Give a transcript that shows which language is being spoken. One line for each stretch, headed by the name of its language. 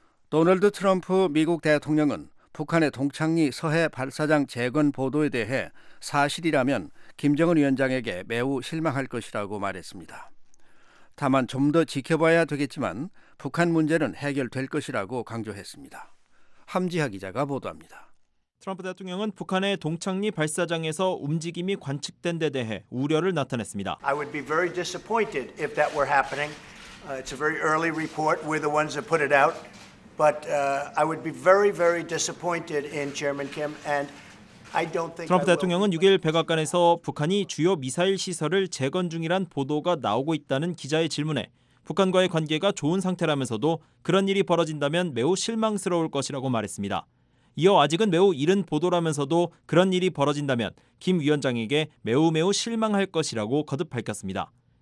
Korean: 도널드 트럼프 미국 대통령은 북한의 동창리 서해 발사장 재건 보도에 대해 사실이라면 김정은 위원장에게 매우 실망할 것이라고 말했습니다. 다만 좀 더 지켜봐야 되겠지만 북한 문제는 해결될 것이라고 강조했습니다. 함지하 기자가 보도합니다. 트럼프 대통령은 북한의 동창리 발사장에서 움직임이 관측된 데 대해 우려를 나타냈습니다.
English: I would be very disappointed if that were happening. It's a very early report. We're the ones that put it out. But I would be very, very disappointed in Chairman Kim. And I don't think
Korean: 트럼프 대통령은 6일 백악관에서 북한이 주요 미사일 시설을 재건 중이란 보도가 나오고 있다는 기자의 질문에 북한과의 관계가 좋은 상태라면서도 그런 일이 벌어진다면 매우 실망스러울 것이라고 말했습니다. 이어 아직은 매우 이른 보도라면서도 그런 일이 벌어진다면 김 위원장에게 매우 실망할 것이라고 거듭 밝혔습니다.